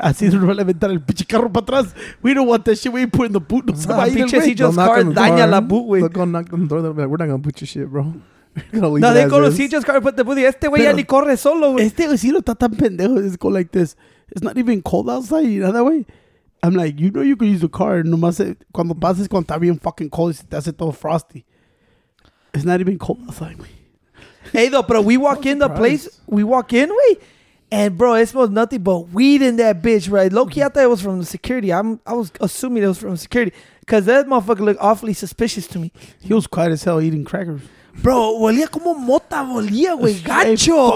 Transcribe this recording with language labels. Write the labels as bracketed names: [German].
[Spanish] Así se va a levantar el pinche carro para atrás. [English] We don't want that shit. We ain't putting the boot. [Spanish] No se va a ir, güey. Cijo's car daña la boot, güey. [English] They're going to knock on the door. We're not going to put your shit, bro. No, they go to Cijo's car and put the boot. [Spanish] Este güey ya ni corre solo, güey. Este güey sí lo está tan pendejo. [English] It's going like this. It's not even cold outside. You know that way? I'm like, you know you could use a car. [Spanish] Nomás cuando pases, cuando está bien [English] fucking cold, [Spanish] se te hace todo frosty. [English] It's not even cold outside, güey. Hey, though, bro, we walk in the place, we walk in, we, and bro, it smells nothing but weed in that bitch, right? Low key, I thought it was from the security. I was assuming it was from security because that motherfucker looked awfully suspicious to me. He was quiet as hell eating crackers. [Spanish] Bro, olía como mota, olía, güey, gacho.